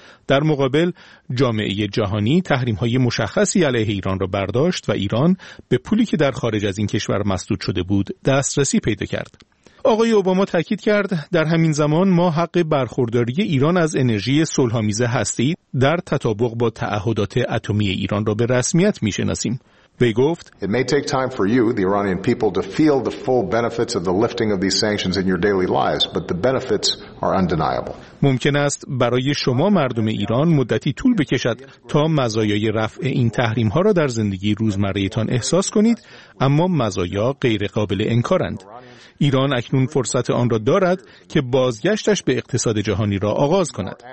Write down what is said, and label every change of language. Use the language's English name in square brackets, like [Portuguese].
[Persian] در مقابل جامعه جهانی تحریم‌های مشخصی علیه ایران را برداشت و ایران به پولی که در خارج از این کشور مسدود شده بود دسترسی پیدا کرد. آقای اوباما تاکید کرد: در همین زمان ما حق برخورداری ایران از انرژی صلح‌آمیز هسته‌ای در تطابق با تعهدات اتمی ایران را به رسمیت می‌شناسیم. وی گفت: [English] It may take time for you, the Iranian people, to feel the full benefits of the lifting of these sanctions in your daily lives, but the benefits are undeniable. [Persian] ممکن است برای شما مردم ایران مدتی طول بکشد تا مزایای رفع این تحریم‌ها را در زندگی روزمره‌تان احساس کنید، اما مزایا غیر قابل انکارند. ایران اکنون فرصت آن را دارد که بازگشتش به اقتصاد جهانی را آغاز کند.